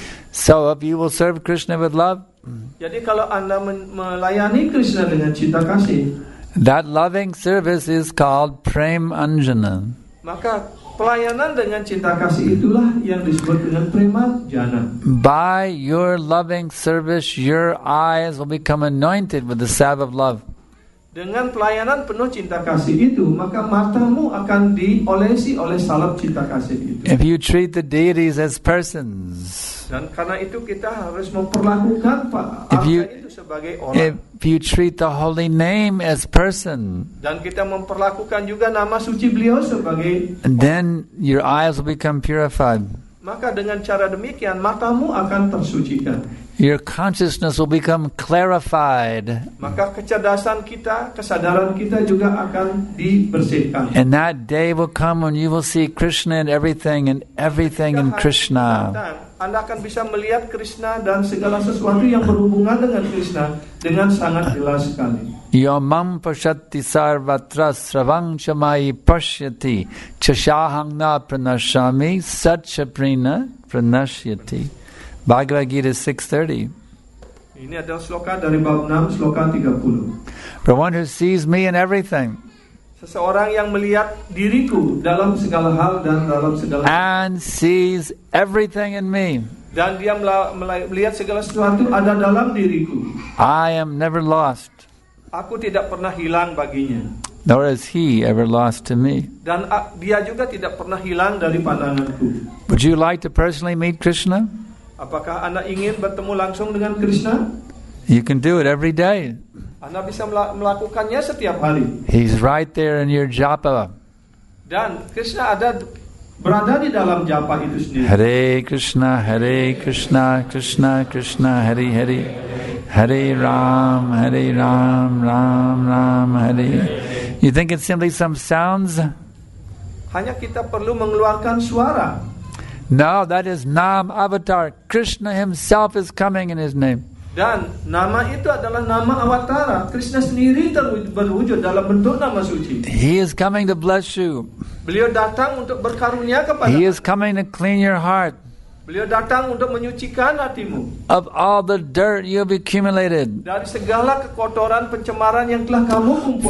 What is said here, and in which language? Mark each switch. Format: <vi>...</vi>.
<en>So if you will serve Krishna with love,</en> <id>jadi kalau Anda melayani Krishna dengan cinta kasih,</id> <en>that loving service is called prem anjana.</en> <id>Maka pelayanan dengan cinta kasih itulah yang disebut dengan prema jana.</id> <en>By your loving service, your eyes will become anointed with the salve of love.</en> <id>Dengan pelayanan penuh cinta kasih itu, maka matamu akan diolesi oleh salep cinta kasih itu.</id> <en>If you treat the deities as persons,</en> <id>dan karena itu kita harus memperlakukan apa itu sebagai orang.</id> <en>If you treat the holy name as person,</en> <id>dan kita memperlakukan juga nama suci beliau sebagai,</id> <en>then your eyes will become purified.</en> <id>Maka dengan cara demikian matamu akan tersucikan.</id> <en>Your consciousness will become clarified.</en> <id>Maka kecerdasan kita, kesadaran kita juga akan dibersihkan.</id> <en>And that day will come when you will see Krishna in everything and everything in Krishna.</en> <id>Anda akan bisa melihat Krishna dan segala sesuatu yang berhubungan dengan Krishna dengan sangat jelas sekali.</id> <sa>Yomam pasyati sarvatra sravang chamai pasyati chashahang na pranashami satchaprina pranashyati.</sa> <en>Bhagavad Gita 6:30.</en> <id>Ini adalah sloka dari bab 6, sloka 30.</id> <en>For one who sees me in everything,</en> <id>seseorang yang melihat diriku dalam segala hal dan dalam segala hal,</id> <en>and sees everything in me,</en> <id>dan dia melihat segala sesuatu ada dalam diriku,</id> <en>I am never lost.</en> <id>Aku tidak pernah hilang baginya.</id> <en>Nor is he ever lost to me.</en> <id>Dan dia juga tidak pernah hilang dari pandanganku.</id> <en>Would you like to personally meet Krishna?</en> <id>Apakah Anda ingin bertemu langsung dengan Krishna?</id> <en>You can do it every day.</en> <id>Anda bisa melakukannya setiap hari.</id> <en>He's right there in your japa.</en> <id>Dan Krishna ada berada di dalam japa itu sendiri.</id> <sa>Hare Krishna, Hare Krishna, Krishna Krishna, Hare Hare. Hare Ram, Ram Ram, Hare.</sa> <en>You think it's simply some sounds?</en> <id>Hanya kita perlu mengeluarkan suara.</id> <en>No, that is Nam Avatar. Krishna himself is coming in his name.</en> <id>Dan nama itu adalah nama avatara. Krishna sendiri berwujud dalam bentuk nama suci.</id> <en>He is coming to bless you.</en> <id>Beliau datang untuk berkarunia kepada.</id> <en>He is coming to clean your heart.</en> <id>Beliau datang untuk menyucikan hatimu.</id> <en>Of all the dirt you have accumulated.</en> <id>Dari segala kekotoran pencemaran yang telah kamu kumpul.</id>